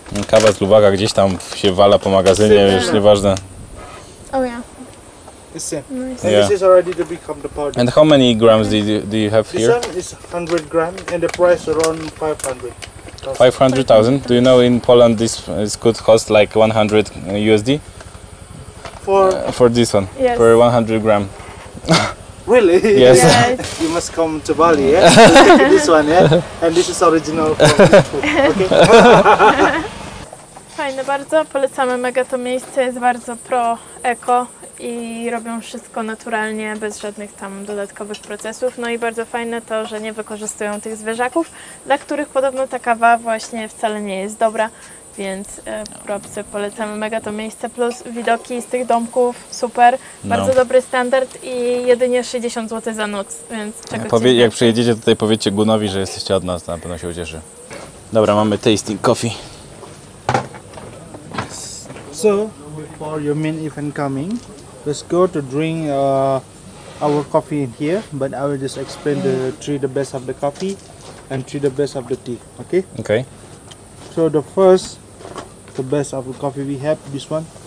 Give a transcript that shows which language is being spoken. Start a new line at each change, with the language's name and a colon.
Polish: Kawa z Lubaga gdzieś tam się wala po magazynie, już nieważne.
English: Oh yeah. Nice. Yeah. This is already to become the party. And how many grams do you have here? This one is 100 grams and the price around 500. 500,000? Do you know in Poland this could cost like 100 USD? For this one? Yes. For 100 grams. Really? Yes. Yeah. You must come to Bali, yeah? This one, yeah? And this is original from okay?
Polish: Fajne bardzo. Polecamy mega to miejsce. Jest bardzo pro-eko. I robią wszystko naturalnie, bez żadnych tam dodatkowych procesów. No i bardzo fajne to, że nie wykorzystują tych zwierzaków, dla których podobno ta kawa właśnie wcale nie jest dobra. Więc propsy, polecamy mega to miejsce, plus widoki z tych domków, super. Bardzo dobry standard i jedynie 60 zł za noc, więc czego jak przyjedziecie tutaj, powiecie Gunowi, że jesteście od nas, to na pewno się ucieszy. Dobra, mamy tasting coffee.
English: So, before your main event coming, let's go to drink our coffee in here, but I will just explain the three the best of the coffee and three the best of the tea, okay? Okay. So the first, the best of the coffee we have, this one.